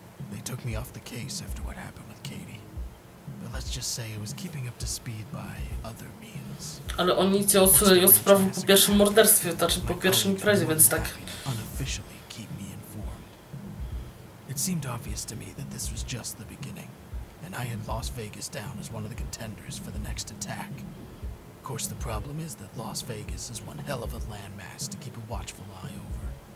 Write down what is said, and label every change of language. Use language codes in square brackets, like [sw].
[en] They took me off the case after what happened with Katie. But let's just say it was keeping up to speed by other means. [pl] Ale oni cię odsunęli od sprawy po pierwszym morderstwie, znaczy po pierwszym imprezie, więc tak. [en] Unofficially keep me informed. It seemed obvious to me that this was just the beginning. And I had Las Vegas down as one of the contenders for the next attack. Of course, the problem is that Las Vegas is one hell of a landmass to keep a watchful eye over.